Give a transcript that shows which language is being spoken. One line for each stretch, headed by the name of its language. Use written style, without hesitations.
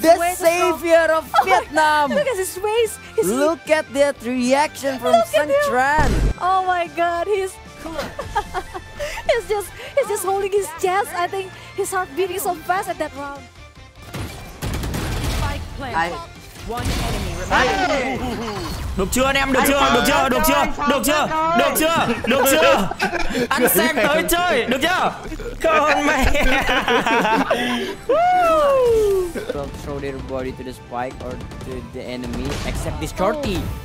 English: the savior of Vietnam. Look at his face. Look at that reaction from Sangtraan. Oh my god, he's he's just holding his chest. I think his heart beating so fast at that round.
Vietnamese: Được chưa anh em, được chưa? Anh xem tới chơi, được chưa? Con mẹ.
English: Throw their body to the spike or to the enemy, except this shorty.